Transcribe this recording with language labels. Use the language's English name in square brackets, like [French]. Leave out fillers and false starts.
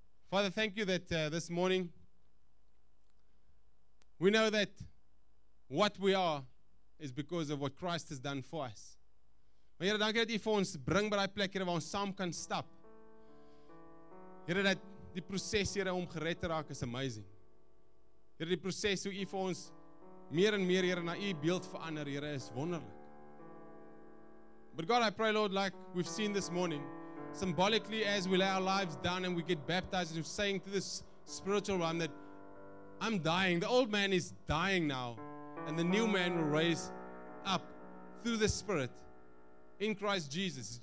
[English] Father, thank you that this morning we know that what we are is because of what Christ has done for us. [Afrikaans] Maar Here, dankie dat jy vir ons bring by die plek, Here, waar ons saam kan stap. Here, dat die proses, Here, om gered te raak is amazing. Here, die proses hoe jy vir ons meer en meer, Here, na jy beeld verander, Here, is wonderlik. [English] But God, I pray, Lord, like we've seen this morning, symbolically, as we lay our lives down and we get baptized, and we're saying to this spiritual realm that I'm dying. The old man is dying now, and the new man will raise up through the Spirit in Christ Jesus.